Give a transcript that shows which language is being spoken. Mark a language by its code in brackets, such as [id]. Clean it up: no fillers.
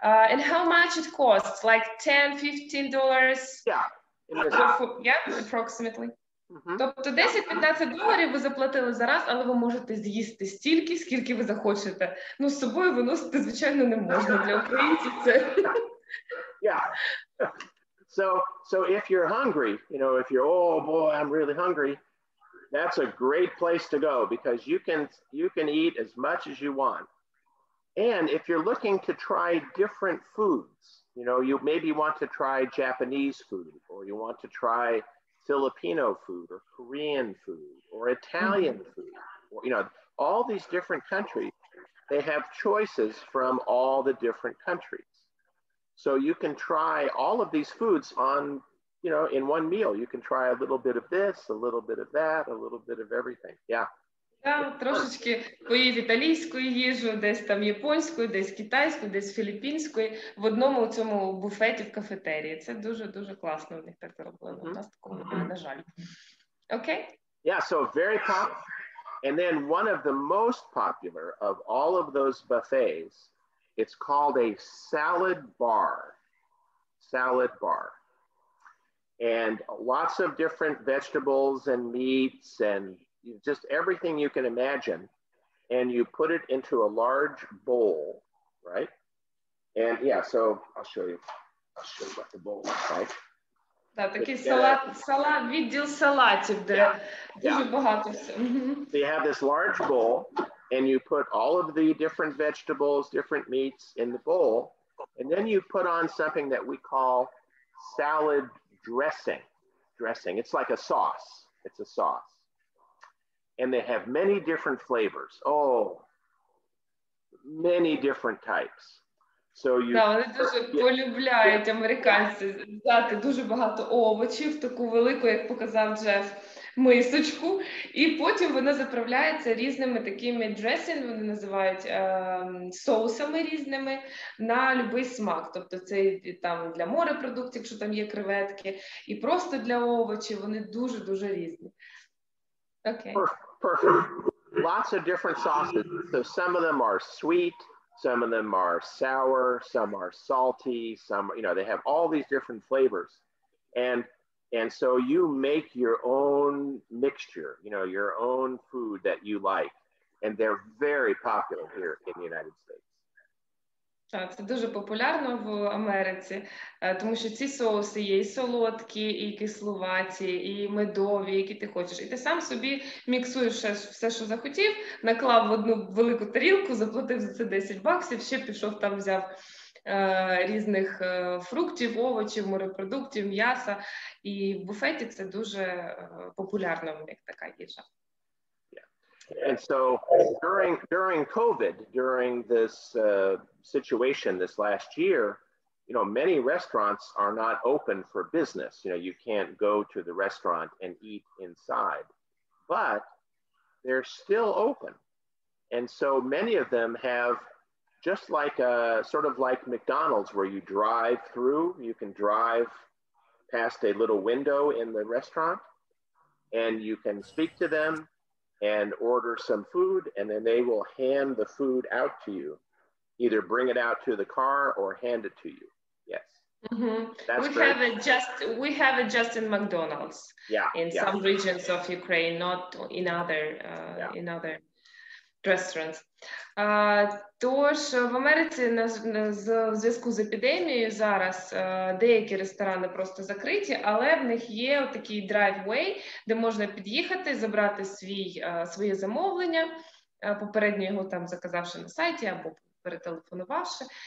[en] And how much it costs? Like $10-$15? Yeah, approximately. Mm-hmm. [uk] Тобто $10-$15 ви заплатили зараз, але ви можете з'їсти стільки, скільки ви захочете. Ну, з собою виносити, звичайно, не можна. Для українців це... [en] Yeah. So if you're hungry, you know, if you're, oh boy, I'm really hungry, that's a great place to go because you can eat as much as you want. And if you're looking to try different foods, you know, you maybe want to try Japanese food, or you want to try Filipino food, or Korean food, or Italian food, or, you know, all these different countries, they have choices from all the different countries. So you can try all of these foods on, you know, in one meal. You can try a little bit of this, a little bit of that, a little bit of everything. Yeah. [uk] Да, трошечки поїв італійською їжу, десь там японською, десь китайською, десь філіппінською в одному цьому буфеті в кафетерії. Це дуже-дуже класно у них так зроблено. У нас такого не, на жаль. Окей? [en] Yeah, so very popular. And then one of the most popular of all of those buffets, it's called a salad bar. Salad bar. And lots of different vegetables and meats and just everything you can imagine, and you put it into a large bowl, right? And yeah, so I'll show you what the bowl looks like. That [uk] такий салат, відділ салатів, де дуже багато всього. [en] So you have this large bowl, and you put all of the different vegetables, different meats in the bowl, and then you put on something that we call salad dressing. Dressing, it's like a sauce, it's a sauce. And they have many different flavors. Oh, many different types. So you. [uk] Так, вони дуже полюбляють американці дати дуже багато овочів, таку велику, як показав Джеф, мисочку. І потім вона заправляється різними такими дресінгами, вони називають соусами різними, на любий смак. Тобто це там для морепродуктів, якщо там є креветки, і просто для овочів, вони дуже-дуже різні. Окей. [en] Perfect. Lots of different sauces. So some of them are sweet, some of them are sour, some are salty, some, you know, they have all these different flavors. And so you make your own mixture, you know, your own food that you like. And they're very popular here in the United States. [uk] Так, це дуже популярно в Америці, тому що ці соуси є і солодкі, і кисловаті, і медові, які ти хочеш. І ти сам собі міксуєш все, що захотів, наклав в одну велику тарілку, заплатив за це $10, ще пішов там взяв різних фруктів, овочів, морепродуктів, м'яса. І в буфеті це дуже популярно в них така їжа. [en] And so during COVID, during this situation this last year, you know, many restaurants are not open for business. You know, you can't go to the restaurant and eat inside, but they're still open. And so many of them have, just like a sort of like McDonald's, where you drive through, you can drive past a little window in the restaurant and you can speak to them and order some food, and then they will hand the food out to you, either bring it out to the car or hand it to you. Yes. Mm-hmm. That's great. We have it just in McDonald's. Yeah. Some regions of Ukraine, not in other in other restaurants. [uk] Тож в Америці в зв'язку з епідемією зараз деякі ресторани просто закриті, але в них є такий driveway, де можна під'їхати, забрати своє замовлення, попередньо його там заказавши на сайті або перетелефонувавши.